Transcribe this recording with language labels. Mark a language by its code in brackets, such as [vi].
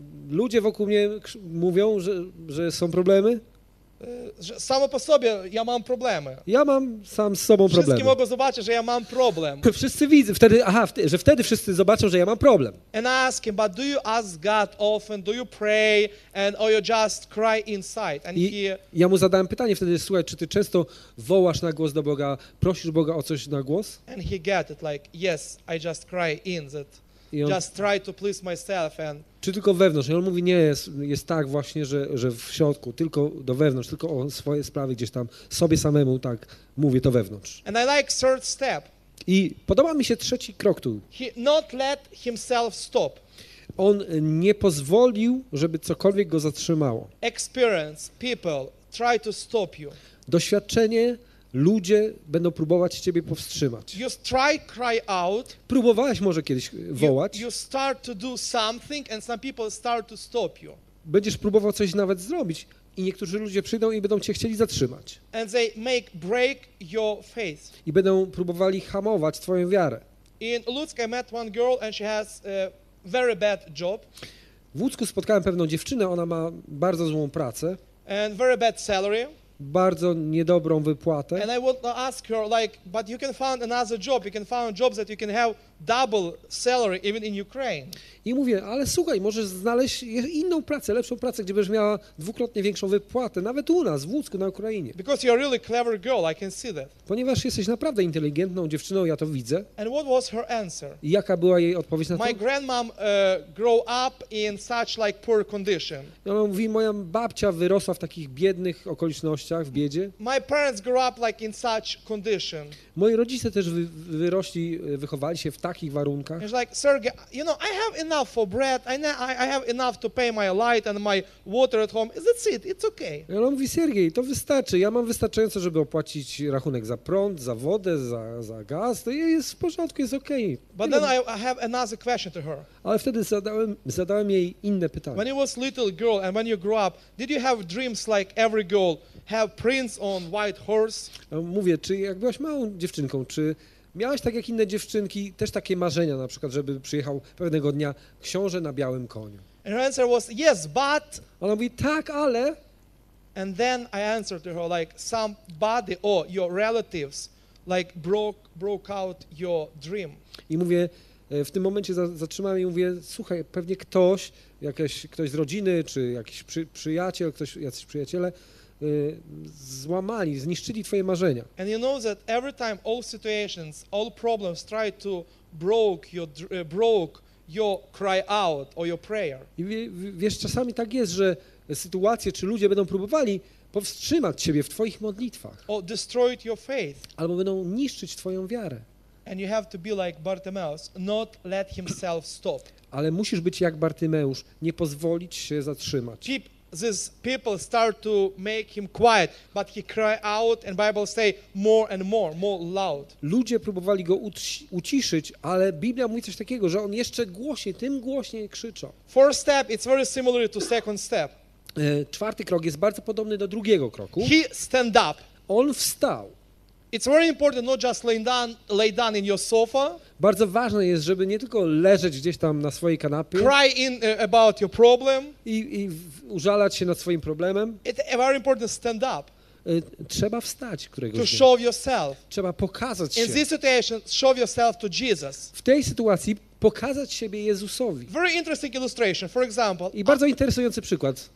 [pl] Ludzie wokół mnie mówią, że są problemy. Samo po sobie ja mam problemy. Ja mam sam z sobą problemy. Wszyscy mogą zobaczyć, że ja mam problem. Wszyscy widzą, wtedy wszyscy zobaczą, że ja mam problem. [en] And ask him, but do you ask God often? Do you pray and or you just cry inside? And he... [pl] Ja mu zadałem pytanie wtedy, słuchaj, czy ty często wołasz na głos do Boga, prosisz Boga o coś na głos? [en] And he get it like, yes, I just cry in that. On, just try to please myself and... [pl] Czy tylko wewnątrz? I on mówi, nie, jest tak właśnie, że w środku, tylko do wewnątrz, tylko o swoje sprawy gdzieś tam, sobie samemu tak mówię to wewnątrz. [en] And I like third step. [pl] I podoba mi się trzeci krok tu. [en] He not let himself stop. [pl] On nie pozwolił, żeby cokolwiek go zatrzymało. [en] Experience, people try to stop you. [pl] Doświadczenie, ludzie będą próbować ciebie powstrzymać. [en] You try, cry out. [pl] Próbowałeś może kiedyś wołać. [en] You start to do something and some people start to stop you. [pl] Będziesz próbował coś nawet zrobić i niektórzy ludzie przyjdą i będą cię chcieli zatrzymać. [en] And they make break your faith. [pl] I będą próbowali hamować twoją wiarę. [en] In Lutsk I met one girl and she has a very bad job. [pl] W Łódzku spotkałem pewną dziewczynę, ona ma bardzo złą pracę. [en] And very bad salary. [pl] Bardzo niedobrą wypłatę. [en] And I would ask her like, but you can find another job. You can find jobs that you can have double salary even in Ukraine. [pl] I mówię, ale słuchaj, możesz znaleźć inną pracę, lepszą pracę, gdzie będziesz miała dwukrotnie większą wypłatę, nawet u nas, w Łódzku, na Ukrainie. [en] Because you're a really clever girl, I can see that. [pl] Ponieważ jesteś naprawdę inteligentną dziewczyną, ja to widzę. [en] And what was her answer? [pl] I jaka była jej odpowiedź na to? [en] My grandmom grow up in such like poor condition. [pl] I ona mówi, moja babcia wyrosła w takich biednych okolicznościach, w biedzie. [en] My parents grew up like in such condition. [pl] Moi rodzice też wyrośli, wychowali się w takich warunkach. [en] It's like, Sergey, you know, I have enough for bread. I have enough to pay my light and my water at home. That's it. It's okay. [pl] I ona mówi, Sergej, to wystarczy. Ja mam wystarczająco, żeby opłacić rachunek za prąd, za wodę, za gaz. To jest w porządku, jest okay. [en] But then I have another question to her. [pl] Ale wtedy zadałem jej inne pytanie. [en] When you was little girl and when you grew up, did you have dreams like every girl have prince on white horse? [pl] Mówię, czy jak byłaś małą dziewczynką, czy miałaś tak jak inne dziewczynki też takie marzenia, na przykład, żeby przyjechał pewnego dnia książę na białym koniu. [en] And her answer was yes, but. [pl] Ona mówi tak, ale. [en] And then I answered to her like somebody or your relatives like broke out your dream. [pl] I mówię, w tym momencie zatrzymałem i mówię, słuchaj, pewnie ktoś z rodziny, czy jakiś przyjaciel, jacyś przyjaciele. Złamali, zniszczyli twoje marzenia. [en] And you know that every time all situations, all problems try to broke your cry out or your prayer. [pl] I wiesz, czasami tak jest, że sytuacje czy ludzie będą próbowali powstrzymać ciebie w twoich modlitwach. [en] Or destroy your faith. [pl] Albo będą niszczyć twoją wiarę. [en] And you have to be like Bartimaeus, not let himself stop. [pl] Ale musisz być jak Bartymeusz, nie pozwolić się zatrzymać. [en] Keep these people start to make him quiet, but he cry out, and Bible say more and more, more loud. [pl] Ludzie próbowali go uciszyć, ale Biblia mówi coś takiego, że on jeszcze głośniej, tym głośniej krzyczał. [en] First step, it's very similar to second step. [pl] Czwarty krok jest bardzo podobny do drugiego kroku. [en] He stand up. [pl] On wstał. [en] It's very important not just lay down in your sofa. [pl] Bardzo ważne jest, żeby nie tylko leżeć gdzieś tam na swojej kanapie. [en] Cry in about your problem. [pl] I użalać się nad swoim problemem. [en] It's very important to stand up. [pl] Trzeba wstać któregoś dnia. [en] To show yourself. [pl] Trzeba pokazać [en] in [pl] się. [en] This situation, show yourself to Jesus. [pl] W tej sytuacji pokazać siebie Jezusowi. [en] Very interesting illustration. For example, [pl] i bardzo interesujący przykład.